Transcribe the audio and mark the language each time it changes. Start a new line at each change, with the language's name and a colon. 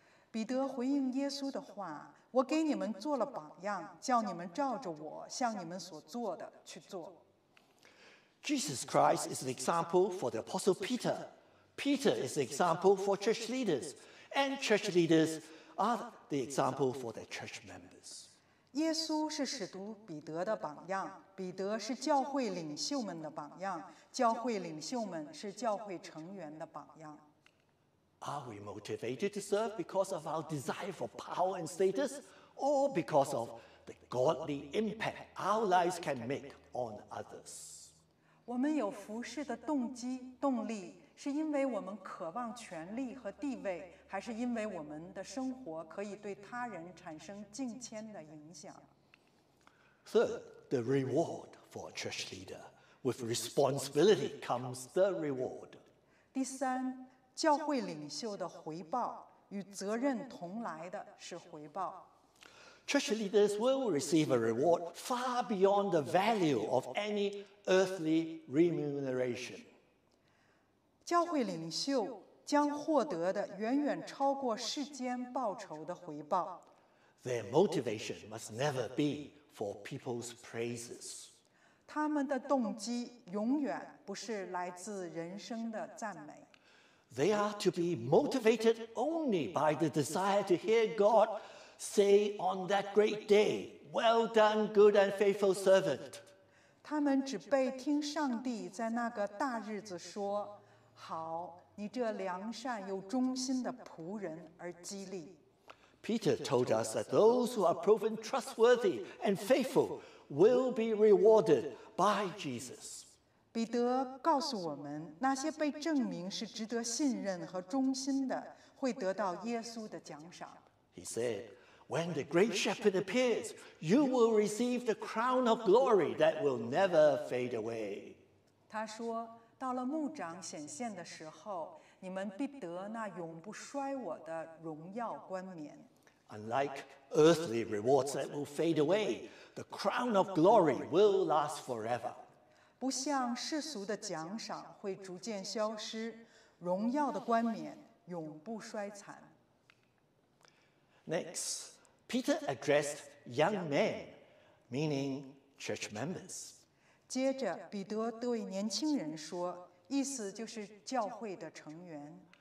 Chinese: 彼得回应耶稣的话，我给你们做了榜样，叫你们照着我像你们所做的去做。
English: Jesus Christ is an example for the Apostle Peter. Peter is an example for church leaders, and church leaders are the example for their church members.
Chinese: 耶稣是使徒彼得的榜样，彼得是教会领袖们的榜样，教会领袖们是教会成员的榜样。
English: Are we motivated to serve because of our desire for power and status, or because of the godly impact our lives can make on others?
Chinese: 我们有服事的动机、动力，是因为我们渴望权力和地位，还是因为我们的生活可以对他人产生敬虔的影响？
English: Third, the reward for a church leader. With responsibility comes the reward.
Chinese: 第三，教会领袖的回报，与责任同来的是回报。
English: Church leaders will receive a reward far beyond the value of any earthly remuneration.
Chinese: 教会领袖将获得的远远超过世间报酬的回报。
English: Their motivation must never be for people's praises.
Chinese: 他们的动机永远不是来自人生的赞美。
English: They are to be motivated only by the desire to hear God say on that great day, well done, good and faithful servant.
Chinese: 他们只被听上帝在那个大日子说，好，你这良善又忠心的仆人而激励。
English: Peter told us that those who are proven trustworthy and faithful will be rewarded by Jesus.
Chinese: 彼得告诉我们，那些被证明是值得信任和忠心的，会得到耶稣的奖赏。
English: He said,When the great shepherd appears, you will receive the crown of glory that will never fade away.
Chinese: 他说，到了牧长显现的时候，你们必得那永不衰我的荣耀冠冕。
English: Unlike earthly rewards that will fade away, the crown of glory will last forever.
Chinese: 不像世俗的奖赏会逐渐消失，荣耀的冠冕永不衰残。
English: Next. Peter addressed young men, meaning church members.
Chinese: 接着，彼得对年轻人说，意思就是教会的成员。